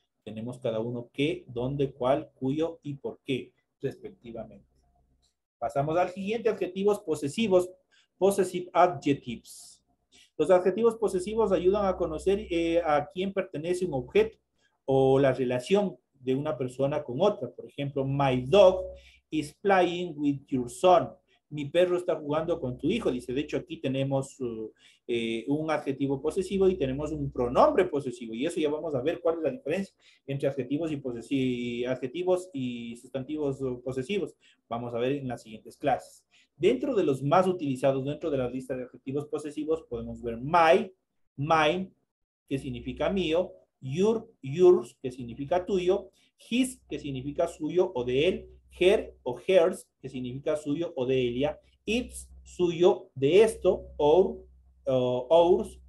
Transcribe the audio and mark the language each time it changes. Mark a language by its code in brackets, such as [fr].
[es] Tenemos cada uno qué, dónde, cuál, cuyo y por qué, respectivamente. Pasamos al siguiente, adjetivos posesivos, possessive adjectives. Los adjetivos posesivos ayudan a conocer a quién pertenece un objeto o la relación de una persona con otra. Por ejemplo, [en] my dog is playing with your son. [es] Mi perro está jugando con tu hijo, dice. De hecho, aquí tenemos un adjetivo posesivo y tenemos un pronombre posesivo. Y eso ya vamos a ver cuál es la diferencia entre adjetivos y adjetivos y sustantivos posesivos. Vamos a ver en las siguientes clases. Dentro de los más utilizados, dentro de la lista de adjetivos posesivos, podemos ver my, mine, que significa mío, your, yours, que significa tuyo, his, que significa suyo o de él, her o hers, que significa suyo o de ella, it's, suyo, de esto, ours,